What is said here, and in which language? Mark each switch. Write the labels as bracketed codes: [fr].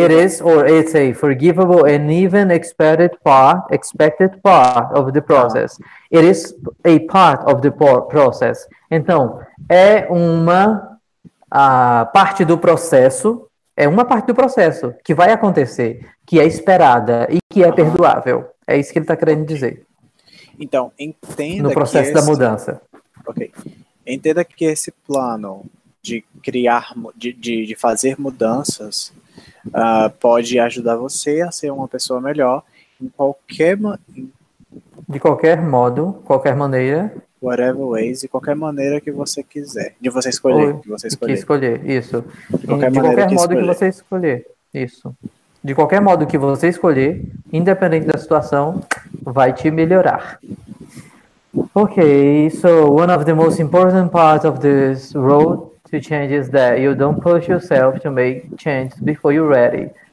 [en] It is or it's a forgivable and even expected part of the process. Ah. It is a part of the process. [pt] Então, é uma parte do processo, é uma parte do processo que vai acontecer, que é esperada e que é perdoável. É isso que ele está querendo dizer. Então, entenda no processo que da mudança. Ok. Entenda que esse plano de criar, de fazer mudanças, pode ajudar você a ser uma pessoa melhor em qualquer... De qualquer modo, qualquer maneira. [en] Whatever ways, [pt] de qualquer maneira que você quiser. De você escolher. Isso. De qualquer modo que você escolher. De qualquer modo que você escolher, independente da situação, vai te melhorar. [en] Ok, so one of the most important parts of this road to change is that you don't push yourself to make change before you're ready.